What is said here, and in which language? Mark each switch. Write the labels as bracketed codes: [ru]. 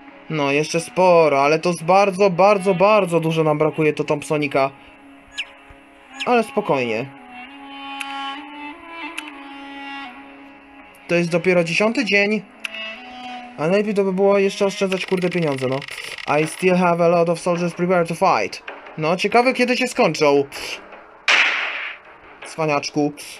[pl] No, jeszcze sporo, ale to z bardzo, bardzo, bardzo dużo nam brakuje do Thompsonika. Ale spokojnie. To jest dopiero 10. dzień. A najpierw to by było jeszcze oszczędzać kurde pieniądze, no. [en] I still have a lot of soldiers prepared to fight. [pl] No, ciekawe kiedy się skończą. Cwaniaczku.